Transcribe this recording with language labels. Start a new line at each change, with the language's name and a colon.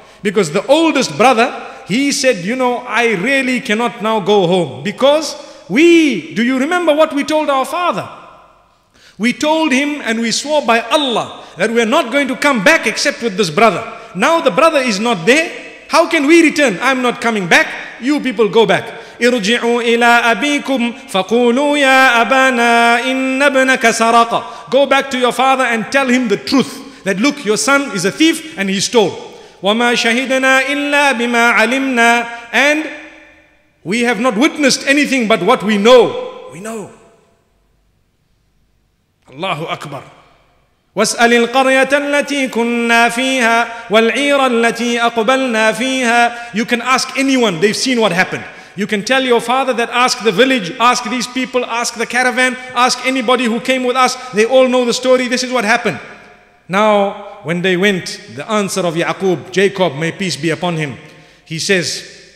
English: Because the oldest brother, he said, you know, I really cannot now go home. Because do you remember what we told our father? We told him and we swore by Allah that we are not going to come back except with this brother. Now the brother is not there. How can we return? I'm not coming back. You people go back.
Arabic: ارجعوا إلى أبيكم فقولوا يا أبانا إن ابنك سرق.
English: Go back to your father and tell him the truth. That look, your son is a thief and he stole.
Arabic: وما شهدنا إلا بما علمنا.
English: And we have not witnessed anything but what we know. We know. Allahu Akbar.
Arabic: واسأل القرية التي كنا فيها والعير التي أقبلنا فيها.
English: You can ask anyone, they've seen what happened. You can tell your father that, ask the village, ask these people, ask the caravan, ask anybody who came with us, they all know the story, this is what happened. Now, when they went, the answer of Ya'qub, Jacob, may peace be upon him, he says,